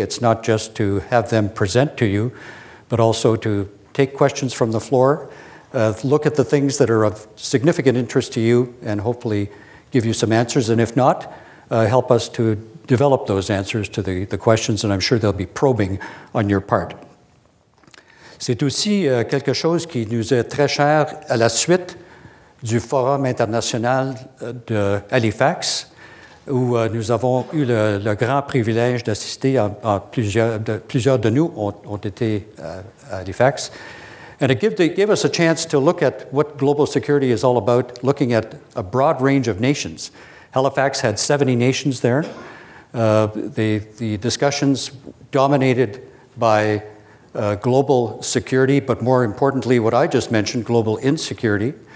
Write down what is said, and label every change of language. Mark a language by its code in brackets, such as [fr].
[en] It's not just to have them present to you, but also to take questions from the floor, look at the things that are of significant interest to you, and hopefully give you some answers. And if not, help us to develop those answers to the questions, and I'm sure they'll be probing on your part. [fr] C'est aussi quelque chose qui nous est très cher à la suite du Forum international de Halifax, où nous avons eu le grand privilège d'assister à plusieurs de nous ont été à Halifax. [en] And it gave us a chance to look at what global security is all about, looking at a broad range of nations. Halifax had 70 nations there. The discussions dominated by global security, but more importantly, what I just mentioned, global insecurity.